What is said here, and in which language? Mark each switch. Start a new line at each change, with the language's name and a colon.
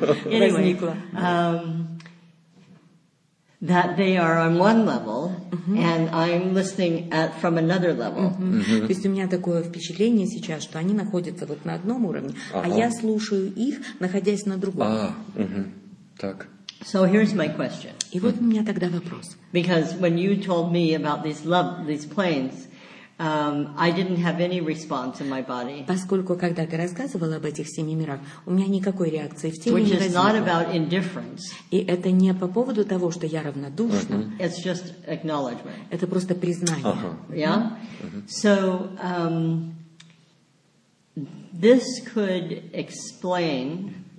English: Anyway, that they are on one level, and I'm listening at from another level.
Russian: То есть у меня такое впечатление сейчас, что они находятся вот на одном уровне, а я слушаю их, находясь на другом. Так.
English: So here's my question.
Russian: И вот у меня тогда вопрос.
English: Because when you told me about these planes. I didn't have any response in my body.
Russian: Поскольку когда ты рассказывала об этих семи мирах, у меня никакой реакции в теле не возникло.
English: Which is not about indifference.
Russian: И это не по поводу того, что я равнодушна.
English: It's just acknowledgement.
Russian: Это просто признание.
English: Yeah. So this could explain.